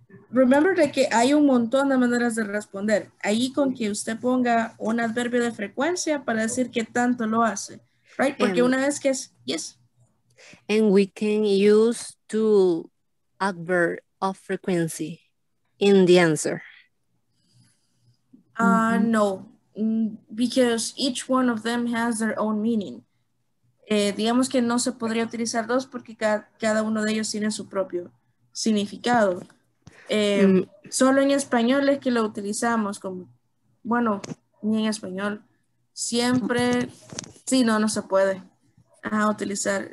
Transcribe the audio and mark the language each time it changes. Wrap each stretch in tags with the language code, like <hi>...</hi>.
<es>Remember de que hay un montón de maneras de responder. Ahí con que usted ponga un adverbio de frecuencia para decir que tanto lo hace. Right? Porque una vez que es, yes.</es> <en>And we can use two adverb of frequency in the answer. No. Because each one of them has their own meaning.</en> <es>Digamos que no se podría utilizar dos porque cada uno de ellos tiene su propio significado. Solo en español es que lo utilizamos como, bueno, ni en español. Siempre, sí, no se puede utilizar.</es>